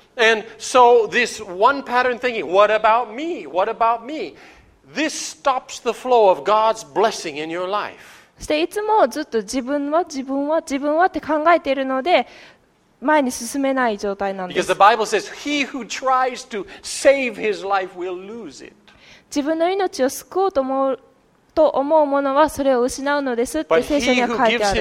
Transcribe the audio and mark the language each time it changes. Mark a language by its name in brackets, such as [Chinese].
[English] And so this one pattern thinking, what about me? What about me? This stops the flow of God's blessing in your life. [Japanese] そしていつもずっと自分は自分は自分はって考えているので前に進めない状態なんです。 [English] Because the Bible says, he who tries to save his life will lose it. [Japanese] 自分の命を救おうと思うものはそれを失うのですって聖書には書いてある。